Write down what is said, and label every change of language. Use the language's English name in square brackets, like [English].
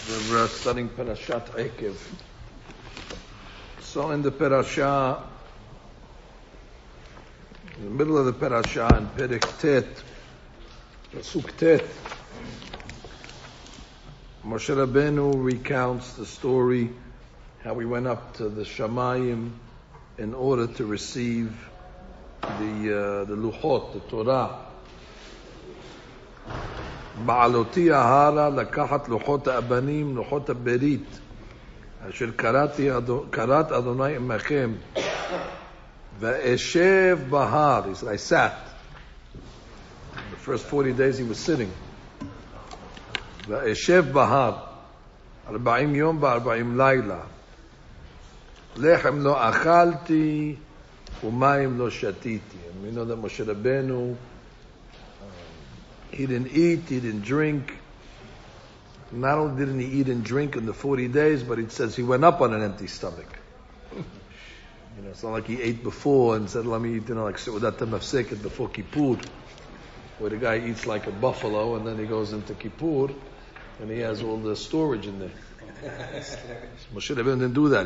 [English] We're studying Parashat Ekev. So in the Parasha, in the middle of the Parasha, in Perek Tet, Pasuk Tet, Moshe Rabbeinu recounts the story how he went up to the Shamayim in order to receive the Luchot, the Torah. [Hebrew] בעלותי ההרה לקחת לוחות האבנים, לוחות הברית, אשר קראת אדוני עמכם, ואשב בהר. [English] He said, I sat. The first 40 days he was sitting. [Hebrew] ואשב בהר, 40 יום ו-40 לילה. לחם לא אכלתי, ומים לא שתיתי. מי יודע, [English] משה רבנו, he didn't eat, he didn't drink. Not only didn't he eat and drink in the 40 days, but it says he went up on an empty stomach. You know, it's not like he ate before and said, let me eat, you know, like Seudat HaMafsek before Kippur, where the guy eats like a buffalo and then he goes into Kippur and he has all the storage in there. Moshe Rabbeinu didn't do that.